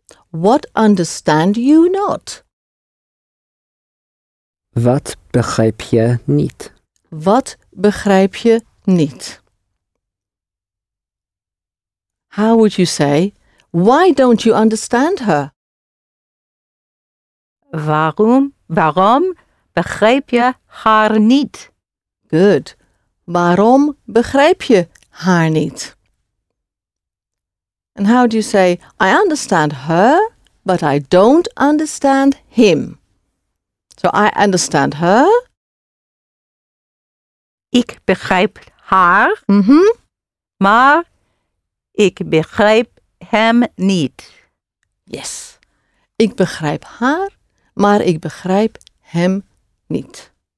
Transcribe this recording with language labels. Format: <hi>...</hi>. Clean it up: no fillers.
<en>What understand you not?</en> <nl>Wat begrijp je niet? Wat begrijp je niet?</nl> <en>How would you say, why don't you understand her?</en> <nl>Waarom begrijp je haar niet?</nl> <en>Good.</en> <nl>Waarom begrijp je haar niet?</nl> <en>And how do you say, I understand her, but I don't understand him? So I understand her.</en> <nl>Ik begrijp haar, maar ik begrijp hem niet.</nl> <en>Yes.</en> <nl>Ik begrijp haar, maar ik begrijp hem niet.</nl>